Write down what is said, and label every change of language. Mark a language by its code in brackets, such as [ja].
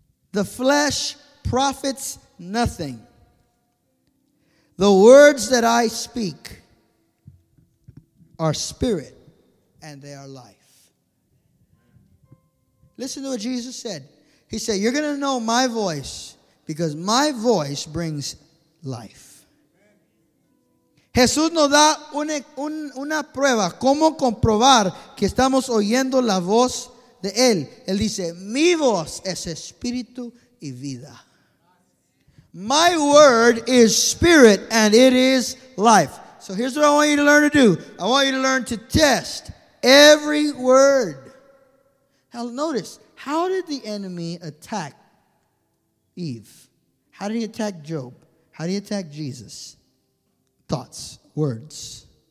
[en] The flesh profits nothing. The words that I speak are spirit and they are life. Listen to what Jesus said. He said, you're going to know my voice because my voice brings life. [es] Jesús nos da una prueba. ¿Cómo comprobar que estamos oyendo la voz de Él? Él dice, mi voz es espíritu y vida. [en] My word is spirit and it is life. So here's what I want you to learn to do. I want you to learn to test every word. Now notice, how did the enemy attack Eve? How did he attack Job? How did he attack Jesus? Thoughts, words.